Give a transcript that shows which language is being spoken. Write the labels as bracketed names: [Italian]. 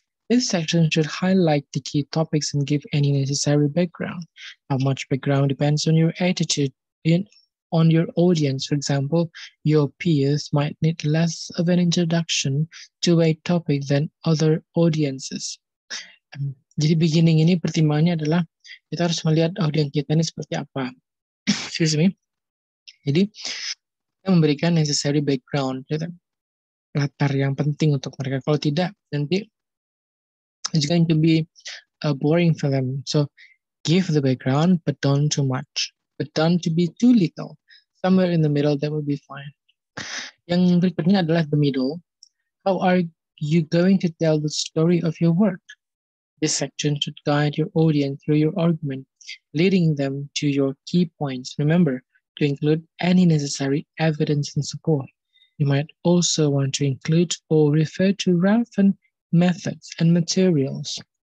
[English] This section should highlight the key topics and give any necessary background. How much background depends on your attitude in on your audience. For example, your peers might need less of an introduction to a topic than other audiences. [Indonesian] Jadi beginning ini pertimbangannya adalah kita harus melihat audiens kita ini seperti apa. [English] Excuse me. [Indonesian] Jadi kita memberikan necessary background, gitu. Latar yang penting untuk mereka. Kalau tidak, nanti [English] it's going to be a boring for them. So give the background, but don't too much. But don't to be too little. Somewhere in the middle, that will be fine. [Indonesian] Yang berikutnya adalah the middle. [English] How are you going to tell the story of your work? This section should guide your audience through your argument, leading them to your key points. Remember to include any necessary evidence and support. You might also want to include or refer to relevant methods and materials.